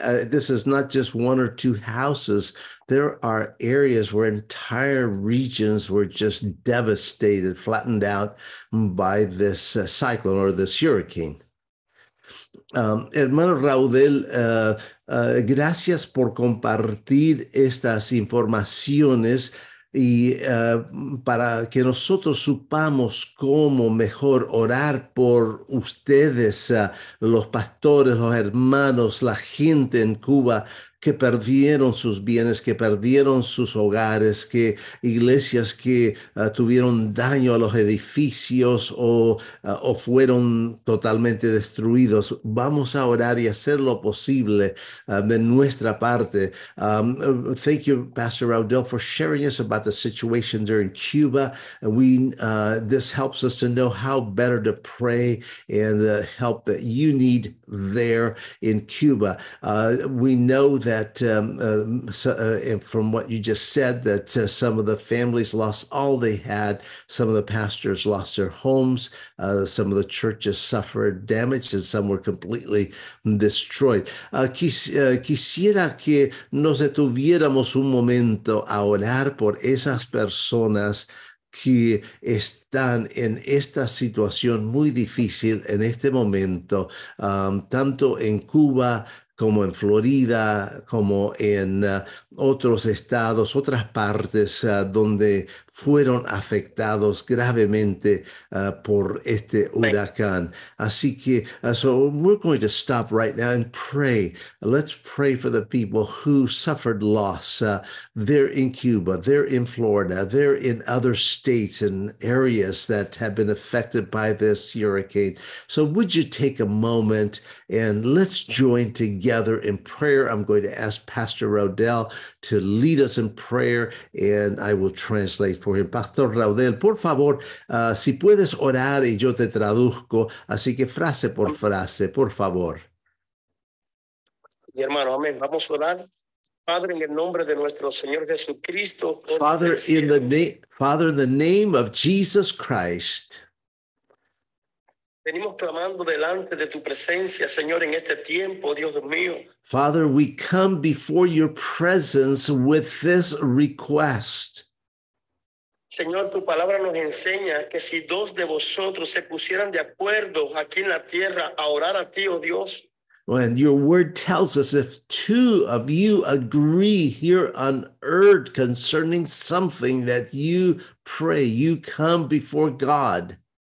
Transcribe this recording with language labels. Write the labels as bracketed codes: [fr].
[en] This is not just one or two houses. There are areas where entire regions were just devastated, flattened out by this cyclone or this hurricane. [es] Hermano Raudel, gracias por compartir estas informaciones y para que nosotros supamos cómo mejor orar por ustedes, los pastores, los hermanos, la gente en Cuba que perdieron sus bienes, que perdieron sus hogares, que iglesias que tuvieron daño a los edificios o fueron totalmente destruidos. Vamos a orar y hacer lo posible de nuestra parte. [en] Thank you, Pastor Raudel, for sharing us about the situation there in Cuba. This helps us to know how better to pray and the help that you need there in Cuba. We know that from what you just said, that some of the families lost all they had. Some of the pastors lost their homes. Some of the churches suffered damage and some were completely destroyed. [es] Quisiera que nos detuviéramos un momento a orar por esas personas que están en esta situación muy difícil en este momento, tanto en Cuba como en Florida, como en otros estados, otras partes donde fueron afectados gravemente por este huracán. Así que, [en] so we're going to stop right now and pray. Let's pray for the people who suffered loss. They're in Cuba, they're in Florida, they're in other states and areas that have been affected by this hurricane. So would you take a moment and let's join together in prayer. I'm going to ask Pastor Raudel to lead us in prayer and I will translate for Pastor Raudel, [es] por favor, si puedes orar y yo te traduzco, así que frase por frase, por favor. Mi hermano, amén. Vamos a orar. Padre, en el nombre de nuestro Señor Jesucristo. [en] Father, Father, in the name of Jesus Christ. [es] Venimos clamando delante de tu presencia, Señor, en este tiempo, Dios mío. [en] Father, we come before your presence with this request. [es] Señor, tu palabra nos enseña que si dos de vosotros se pusieran de acuerdo aquí en la tierra a orar a ti, oh Dios. [en] When your word tells us if two of you agree here on earth concerning something that you pray, you come before God.